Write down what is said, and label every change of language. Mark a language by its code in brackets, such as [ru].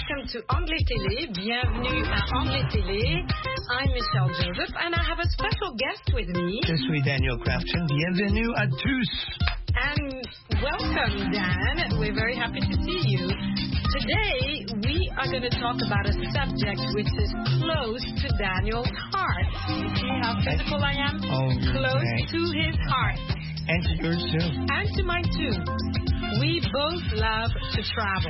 [fr] To Anglais Télé, bienvenue à Anglais Télé. [en] I'm Michelle Joseph and I have a special guest with me. [fr] Je suis Daniel Crafton, bienvenue à tous. [en] And welcome, Dan. We're very happy to see you. Today, we are going to talk about a subject which is close to Daniel's heart. See how physical I am? Oh, close thanks. To his heart. And to yours too. And to mine too. We both love to travel.